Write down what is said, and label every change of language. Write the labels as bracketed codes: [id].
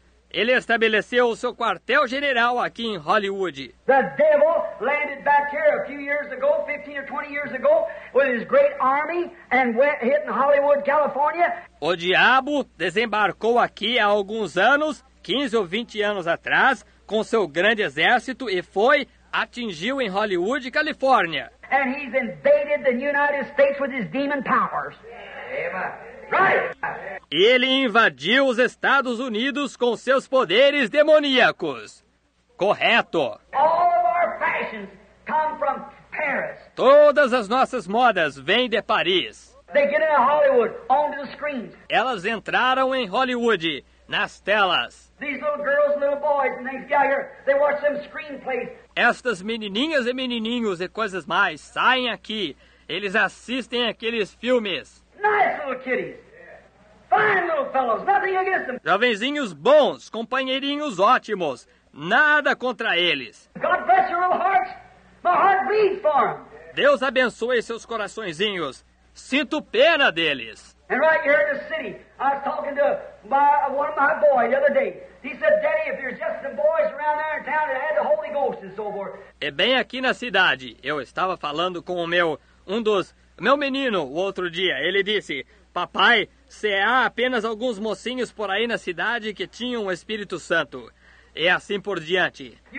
[pt] Ele estabeleceu o seu quartel-general aqui em Hollywood. [en] The devil landed back here a few years ago, 15 or 20 years ago, with his great army and went hit in Hollywood, California. [pt] O diabo desembarcou aqui há alguns anos, 15 ou 20 anos atrás, com seu grande exército e foi, atingiu em Hollywood, Califórnia. [en] And he's invaded the United States with his demon powers. Right. [pt] Ele invadiu os Estados Unidos com seus poderes demoníacos. Correto. [en] All of our fashions come from Paris. [pt] Todas as nossas modas vêm de Paris. [en] They get into Hollywood, onto the screens. [pt] Elas entraram em Hollywood, nas telas. [en] These little girls and little boys, and they watch them screenplays. [pt] Estas menininhas e menininhos e coisas mais saem aqui. Eles assistem aqueles filmes. [en] Nice little kitties. Fine little fellows. Nothing against them. [pt] Jovenzinhos bons, companheirinhos ótimos. Nada contra eles. [en] God bless your little hearts. My heart bleeds for them. [pt] Deus abençoe seus coraçõezinhos. Sinto pena deles. [en] And right here in the city, I was talking to one of my boys the other day. He said, Daddy, if there's just some boys around there in town that had the Holy Ghost and so forth. [pt] E bem aqui na cidade, eu estava falando com o meu Um dos... Meu menino, o outro dia, ele disse... Papai, se há apenas alguns mocinhos por aí na cidade que tinham o Espírito Santo. E assim por diante.